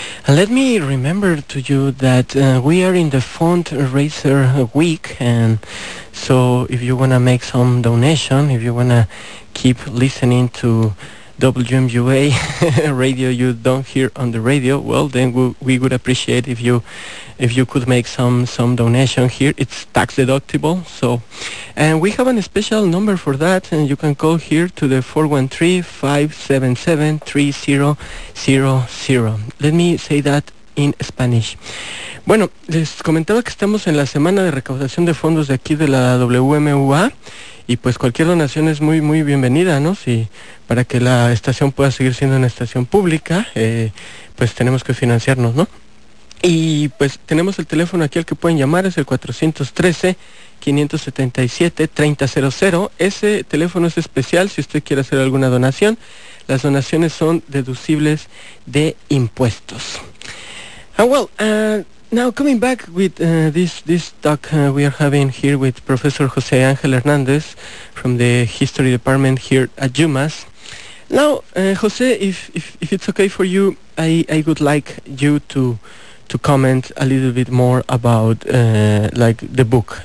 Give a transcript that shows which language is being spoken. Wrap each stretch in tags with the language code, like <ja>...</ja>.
<en>And let me remember to you that we are in the fundraiser week, and so if you want to make some donation, if you want to keep listening to WMUA radio you don't hear on the radio, well, then we would appreciate if you could make some donation here. It's tax deductible, so, and we have a special number for that, and you can call here to the 413-577-3000. Let me say that in Spanish.</en> <es>Bueno, les comentaba que estamos en la semana de recaudación de fondos de aquí de la WMUA, y pues cualquier donación es muy, muy bienvenida, ¿no? Si para que la estación pueda seguir siendo una estación pública, pues tenemos que financiarnos, ¿no? Y pues tenemos el teléfono aquí al que pueden llamar, es el 413-577-3000. Ese teléfono es especial si usted quiere hacer alguna donación. Las donaciones son deducibles de impuestos.</es> <en>And well, now coming back with this talk we are having here with Professor José Ángel Hernández from the History Department here at UMass. Now, José, if it's okay for you, I would like you to comment a little bit more about like the book.</en>